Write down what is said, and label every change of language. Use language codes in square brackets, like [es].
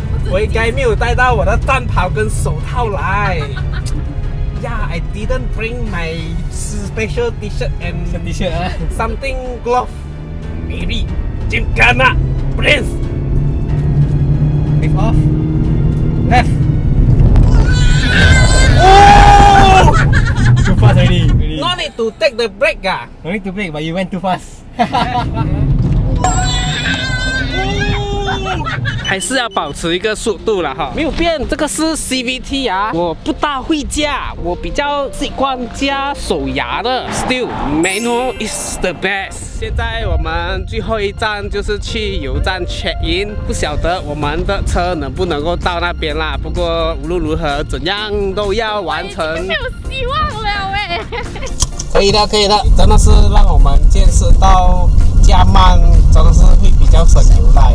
[zh] 我应该没有带到我的战袍跟手套来。 [en] Yeah， I didn't bring my special T-shirt and something glove。 Maybe。 金卡纳 ，Prince。 Lift off. Left. Too fast already. No need to take the brake. Ah. No need to brake, but you went too fast. [zh] 还是要保持一个速度了哈。没有变，这个是 CVT 啊。我不大会驾，我比较习惯驾手牙的。 [en] Still, manual is the best. [zh] 现在我们最后一站就是去油站 check in， 不晓得我们的车能不能够到那边啦。不过无论如何，怎样都要完成。没有希望了喂。可以的，可以的，真的是让我们见识到加慢真的是会比较省油啦。